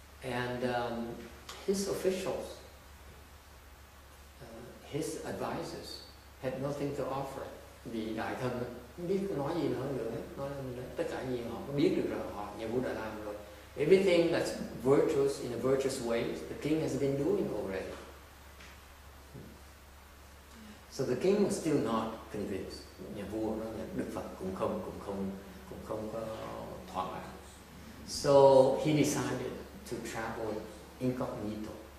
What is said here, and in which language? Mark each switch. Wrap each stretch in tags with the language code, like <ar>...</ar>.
<en>And his officials, his advisors had nothing to offer.</en> <vi>Vì đại thần không biết nói gì hơn nữa, nói tất cả gì họ có biết được rồi, họ nhà vua đã làm rồi.</vi> <en>Everything that's virtuous in a virtuous way, the king has been doing already. So the king was still not convinced.</en> <vi>Nhà vua nói là Đức Phật cũng không có thỏa mãn.</vi> <en>So he decided to travel incognito.</en>